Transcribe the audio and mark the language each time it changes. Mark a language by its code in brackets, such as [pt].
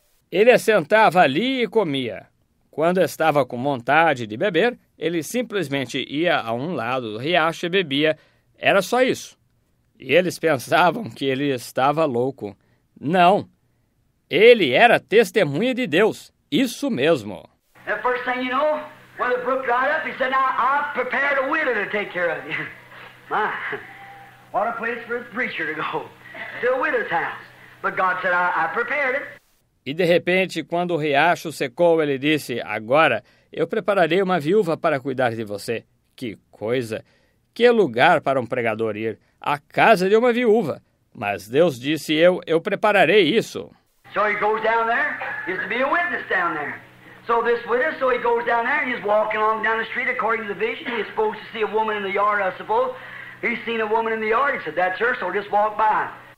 [pt] Ele assentava ali e comia. Quando estava com vontade de beber, ele simplesmente ia a um lado do riacho e bebia. Era só isso. E eles pensavam que ele estava louco. Não. Ele era testemunha de Deus. Isso mesmo. [en] The first thing you know, when the brook dried up, he said, "Now I've prepared a widow to take care of you." My, what a place for a preacher to go. To a widow's house. But God said, I prepared it. [pt] E de repente, quando o riacho secou, ele disse, agora eu prepararei uma viúva para cuidar de você. Que coisa! Que lugar para um pregador ir? A casa de uma viúva. Mas Deus disse, eu prepararei isso. [en] So he goes down there, he's to be a witness down there. So he goes down there, he's walking along down the street according to the vision. He's supposed to see a woman in the yard, I suppose. He's seen a woman in the yard, he said, that's her, so just walk by.